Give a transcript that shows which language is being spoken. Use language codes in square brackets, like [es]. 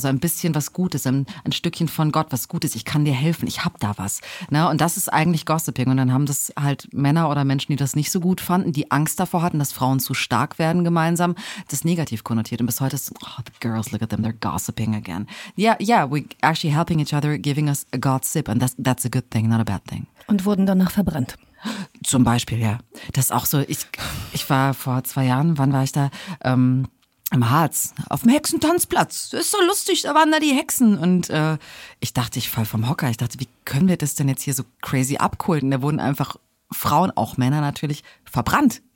[de] Also ein bisschen was Gutes, ein Stückchen von Gott, was Gutes. Ich kann dir helfen, ich hab da was. Ne? Und das ist eigentlich Gossiping. Und dann haben das halt Männer oder Menschen, die das nicht so gut fanden, die Angst davor hatten, dass Frauen zu stark werden gemeinsam, das negativ konnotiert. Und bis heute ist es, [en] oh, the girls, look at them, they're gossiping again. Yeah, we're actually helping each other, giving us a gossip, and that's a good thing, not a bad thing. [de] Und wurden danach verbrannt. Zum Beispiel, ja. Das ist auch so, ich war vor 2 Jahren, wann war ich da? Im Harz, auf dem Hexentanzplatz. Ist so lustig, da waren da die Hexen. Und ich dachte, ich fall vom Hocker. Ich dachte, wie können wir das denn jetzt hier so crazy abkulten? Da wurden einfach Frauen, auch Männer natürlich, verbrannt.